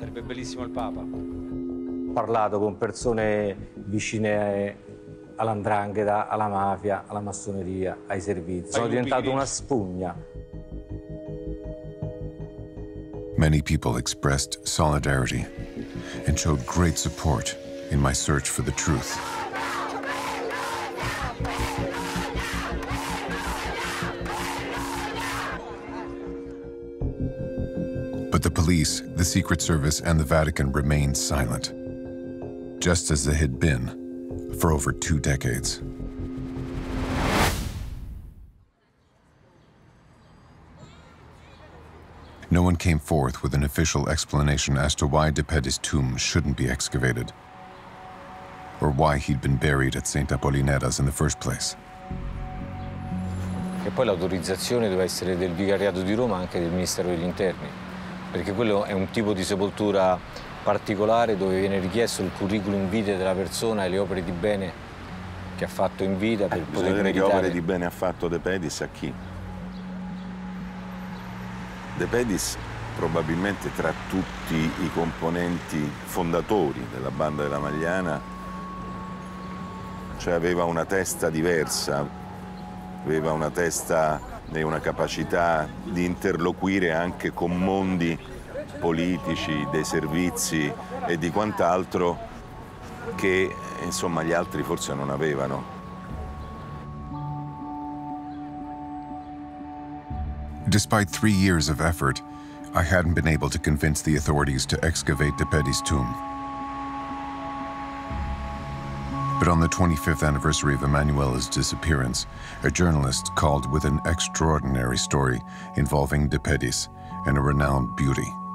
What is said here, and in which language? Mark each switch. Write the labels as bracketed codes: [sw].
[it] Parlato con persone vicine all'andrangheta, alla mafia, alla massoneria, ai servizi. Sono diventato una spugna. [en] Many people expressed solidarity and showed great support in my search for the truth. But the police, the Secret Service, and the Vatican remained silent. Just as they had been for over two decades. No one came forth with an official explanation as to why De Pedis' tomb shouldn't be excavated, or why he'd been buried at Saint Apollinare's in the first place. [it] E poi l'autorizzazione doveva essere del Vicariato di Roma, anche del Ministero degli Interni, perché quello è un tipo di sepoltura particolare dove viene richiesto il curriculum vitae della persona e le opere di bene che ha fatto in vita per poter vedere meditare. Che opere di bene ha fatto De Pedis a chi? De Pedis probabilmente tra tutti i componenti fondatori della banda della Magliana, cioè aveva una testa diversa, aveva una testa e una capacità di interloquire anche con mondi politici, dei servizi e di quant'altro che, insomma, gli altri forse non avevano. [en] Despite 3 years of effort, I hadn't been able to convince the authorities to excavate De Pedis' tomb. But on the 25th anniversary of Emanuela's disappearance, a journalist called with an extraordinary story involving De Pedis and a renowned beauty.